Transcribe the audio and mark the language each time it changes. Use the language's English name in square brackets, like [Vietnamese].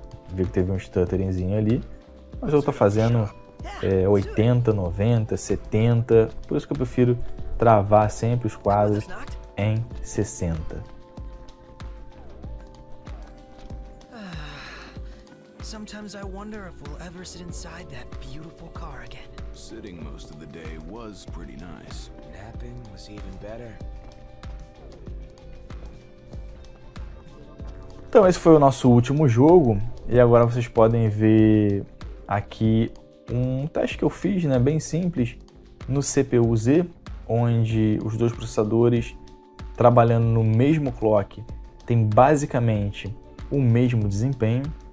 [Portuguese] Vi que teve um stutteringzinho ali, mas eu tô fazendo 80, 90, 70, por isso que eu prefiro travar sempre os quadros em 60. [English] Sometimes I wonder if we'll ever sit inside that beautiful car again. Sitting most of the day was pretty nice. Napping was even better. [Portuguese] Então esse foi o nosso último jogo e agora vocês podem ver aqui um teste que eu fiz, né, bem simples, no CPU-Z, onde os dois processadores trabalhando no mesmo clock tem basicamente o mesmo desempenho.